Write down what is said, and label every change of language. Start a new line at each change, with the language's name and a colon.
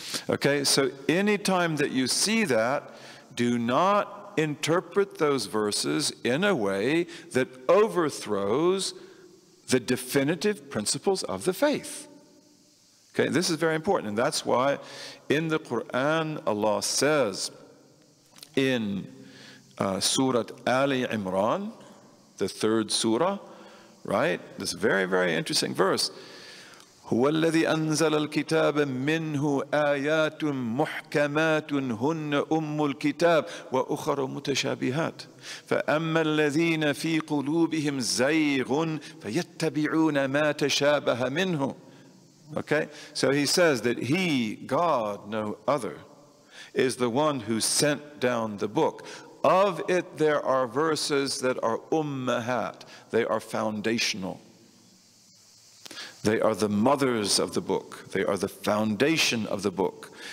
English: Okay, so anytime that you see that, do not interpret those verses in a way that overthrows the definitive principles of the faith. Okay, this is very important, and that's why in the Quran, Allah says in Surah Ali Imran, the third surah, right? This very, very interesting verse.
Arabic: هو الذي أنزل الكتاب منه آيات محكمات هن أم الكتاب وأخر متشابهات فأما الذين في قلوبهم زيغ فيتبعون ما تشابه منه.
English: Okay, so he says that he, God, no other, is the one who sent down the book. Of it there are verses that are ummahat, they are foundational. They are the mothers of the book. They are the foundation of the book.